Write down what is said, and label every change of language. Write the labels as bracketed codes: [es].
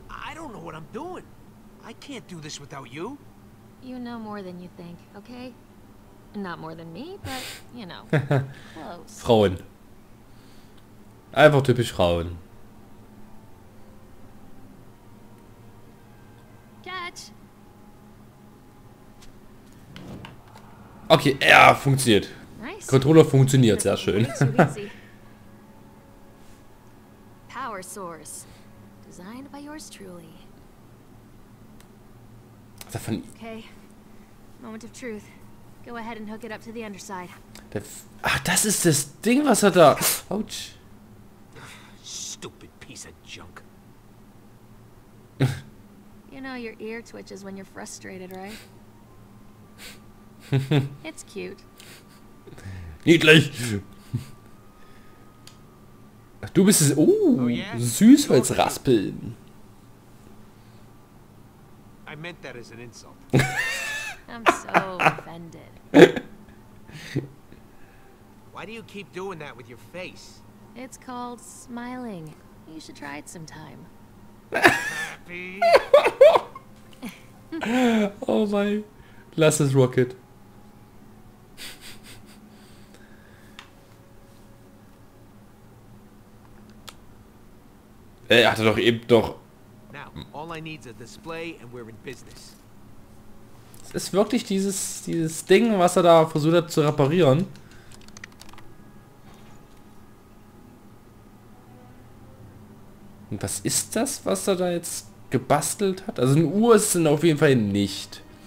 [en] I don't know what I'm doing. I can't do this without you. You know more than you think, okay? Not more than me, but you know. Close. [de] Frauen. Einfach typisch Frauen. Okay, er funktioniert. [en] Nice. [de] Controller funktioniert sehr schön. [en] Power source. Designed by yours truly. Okay. Moment of truth. Go ahead and hook it up to the underside. [de] Ach, das ist das Ding, was er da. Ouch. [en] Stupid piece of junk. You know your ear twitches when you're frustrated, right? It's cute. [de] Niedlich. Du bist es. Oh, Süßholzraspeln. [en] I meant that as an insult. I'm so offended. Why do you keep doing that with your face? It's called smiling. You should try it sometime. Happy. [de] Oh mein. Lass es, Rocket. Er hatte doch eben doch... [en] Now, all I need is a display and we're in business. [de] Es ist wirklich dieses Ding, was er da versucht hat zu reparieren. Und was ist das, was er da jetzt gebastelt hat? Also eine Uhr ist es auf jeden Fall nicht.